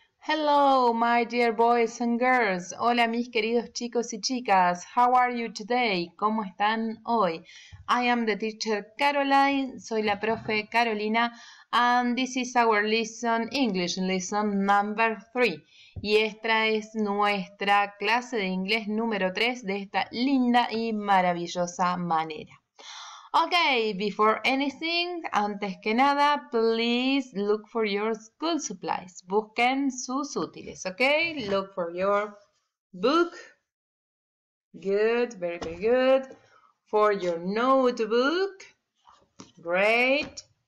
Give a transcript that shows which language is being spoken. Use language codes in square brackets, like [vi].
[en] Hello, my dear boys and girls. [es] Hola, mis queridos chicos y chicas. [en] How are you today? [es] ¿Cómo están hoy? [en] I am the teacher Caroline. [es] Soy la profe Carolina. [en] And this is our lesson, English lesson number 3. [es] Y esta es nuestra clase de inglés número 3 de esta linda y maravillosa manera. [en] Okay, before anything, [es] antes que nada, [en] please look for your school supplies. [es] Busquen sus útiles, [en] okay? Look for your book. Good, very, very good. For your notebook. Great.